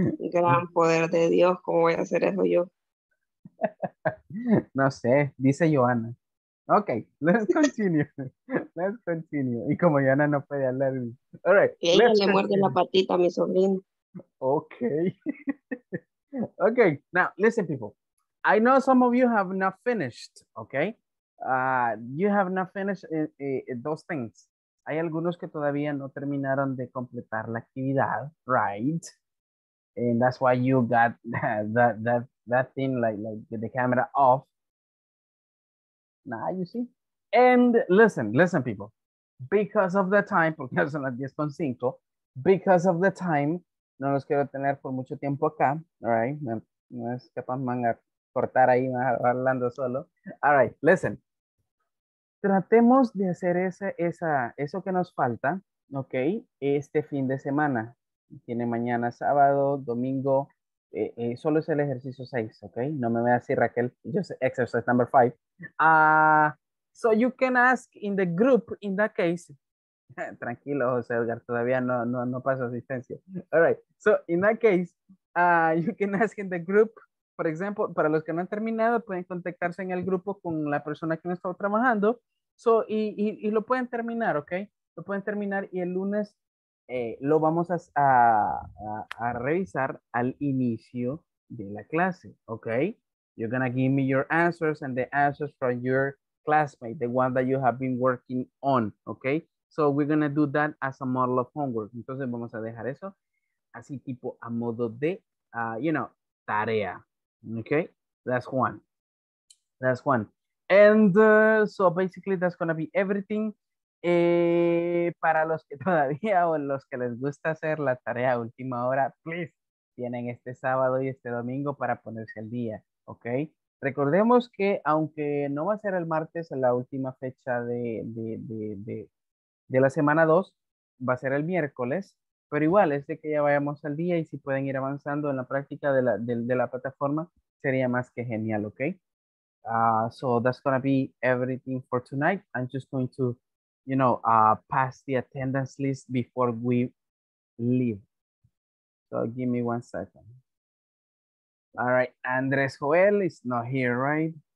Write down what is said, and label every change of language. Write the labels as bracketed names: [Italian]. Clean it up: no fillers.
[Spanish] Gran poder de Dios, ¿cómo voy a hacer eso yo? No sé, dice Joana. [English] Okay, let's continue. Let's continue. [Spanish] Y como Joana no puede hablar. [English] All right. [Spanish] Ella le muerde la patita a mi sobrino. [English] Okay. Okay, now listen, people. I know some of you have not finished, okay? You have not finished those things. [Spanish] Hay algunos que todavía no terminaron de completar la actividad, right? [English] And that's why you got that thing like the camera off. Nah, you see? And listen, people. Because of the time, [Spanish] porque son las 10:05, [English] because of the time, [Spanish] no los quiero tener por mucho tiempo acá, [English] all right? [Spanish] No es capaz man a cortar ahí hablando solo. [English] All right, listen. [Spanish] Tratemos de hacer eso que nos falta, okay, este fin de semana. Tiene mañana sábado, domingo, solo es el ejercicio 6, okay? No me veas así, Raquel, [English] just exercise number 5. So you can ask in the group in that case. [Spanish] Tranquilo, José Edgar, todavía no paso asistencia. [English] All right, so in that case, you can ask in the group, for example, [Spanish] para los que no han terminado, pueden contactarse en el grupo con la persona que no está trabajando. So, y lo pueden terminar, okay? Lo pueden terminar y el lunes lo vamos a revisar al inicio de la clase, okay? [English] You're gonna give me your answers and the answers from your classmate, the one that you have been working on, okay? So we're gonna do that as a model of homework. [Spanish] Entonces vamos a dejar eso así tipo a modo de, tarea, okay? [English] That's one. And so basically that's gonna be everything. [Spanish] Para los que todavía o los que les gusta hacer la tarea a última hora, please, tienen este sábado y este domingo para ponerse al día. Ok, recordemos que aunque no va a ser el martes la última fecha de la semana 2, va a ser el miércoles, pero igual es de que ya vayamos al día y si pueden ir avanzando en la práctica de la plataforma, sería más que genial, ok. [English] So that's gonna be everything for tonight. I'm just going to, pass the attendance list before we leave. So give me one second. All right, Andres Joel is not here, right?